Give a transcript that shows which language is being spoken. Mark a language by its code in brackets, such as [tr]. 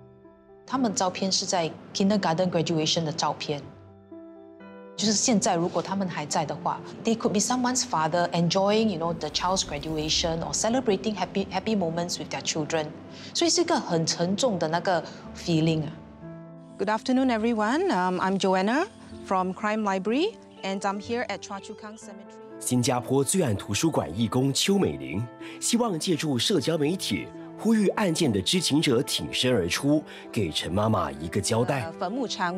[zh] 事隔超过四十年，爸爸陈庆才已经过世，妈妈李美英现在70多岁，仍在等待凶手是谁的谜团被解开。这个冤情以及他所带来的各种痛苦，其他关心这起案件的人也都在默默承受。我的心情是非常沉重的。他们照片是在 [en] kindergarten graduation [zh] 的照片。就是现在，如果他们还在的话 [en] ，they could be someone's father enjoying, you know, the child's graduation or celebrating happy moments with their children. [zh] 所以是一个很沉重的那个 feeling. [en] Good afternoon, everyone. I'm Joanna from Crime Library, and I'm here at Choa Chu Kang Cemetery. [zh] 新加坡罪案图书馆义工邱美玲希望借助社交媒体。呼吁案件的知情者挺身而出，给陈妈妈一个交代。坟墓场